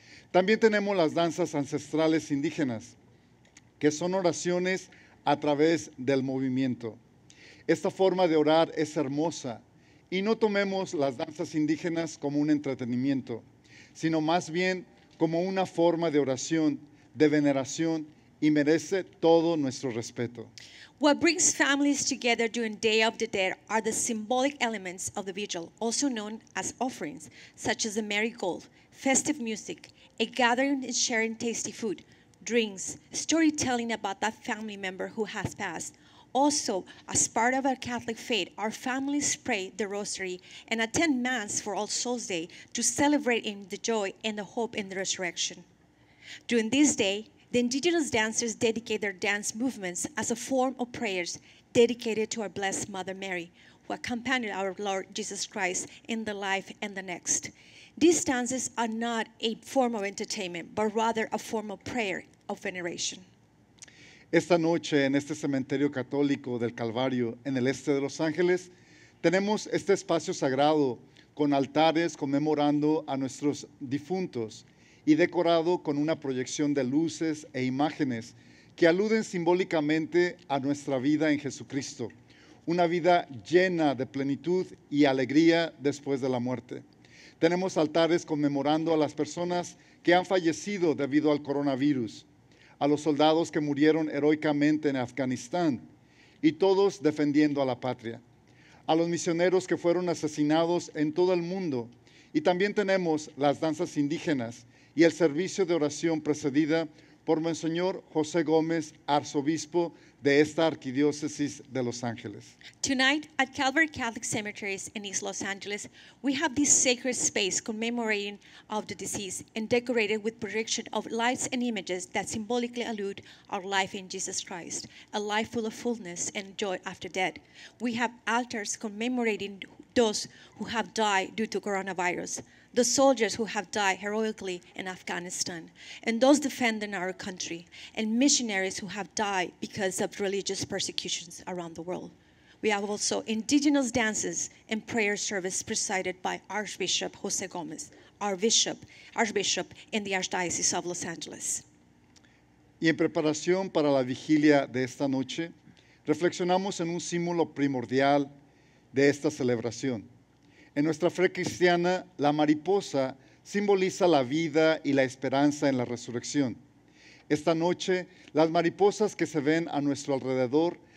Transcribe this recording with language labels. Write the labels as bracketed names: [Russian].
[Spanish] También tenemos las danzas ancestrales indígenas, que son oraciones a través del movimiento. Esta forma de orar es hermosa, y no tomemos las danzas indígenas como un entretenimiento, sino más bien como una forma de oración, de veneración, y merece todo nuestro respeto. [English] What brings families together during Day of the Dead are the symbolic elements of the vigil, also known as offerings, such as the marigold, festive music, a gathering and sharing tasty food, drinks, storytelling about that family member who has passed. Also, as part of our Catholic faith, our families pray the rosary and attend Mass for All Souls Day to celebrate in the joy and the hope in the resurrection. During this day, the indigenous dancers dedicate their dance movements as a form of prayers dedicated to our Blessed Mother Mary, who accompanied our Lord Jesus Christ in the life and the next. These dances are not a form of entertainment, but rather a form of prayer of veneration. [Spanish] Esta noche, en este cementerio católico del Calvario, en el este de Los Ángeles, tenemos este espacio sagrado con altares conmemorando a nuestros difuntos y decorado con una proyección de luces e imágenes que aluden simbólicamente a nuestra vida en Jesucristo, una vida llena de plenitud y alegría después de la muerte. Tenemos altares conmemorando a las personas que han fallecido debido al coronavirus, a los soldados que murieron heroicamente en Afganistán y todos defendiendo a la patria, a los misioneros que fueron asesinados en todo el mundo, y también tenemos las danzas indígenas y el servicio de oración precedida por Monseñor José Gómez, arzobispo de esta Archdiocesis de Los Ángeles. [English] Tonight, at Calvary Catholic Cemeteries in East Los Angeles, we have this sacred space commemorating of the deceased and decorated with projection of lights and images that symbolically allude our life in Jesus Christ, a life full of fullness and joy after death. We have altars commemorating those who have died due to coronavirus, the soldiers who have died heroically in Afghanistan, and those defending our country, and missionaries who have died because of religious persecutions around the world. We have also indigenous dances and prayer service presided by Archbishop José Gómez, Archbishop in the Archdiocese of Los Angeles. [Spanish] Y en preparación para la vigilia de esta noche, reflexionamos en un símbolo primordial de esta celebración. En nuestra fe cristiana, la mariposa simboliza la vida y la esperanza en la resurrección. Esta noche, las mariposas que se ven a nuestro alrededor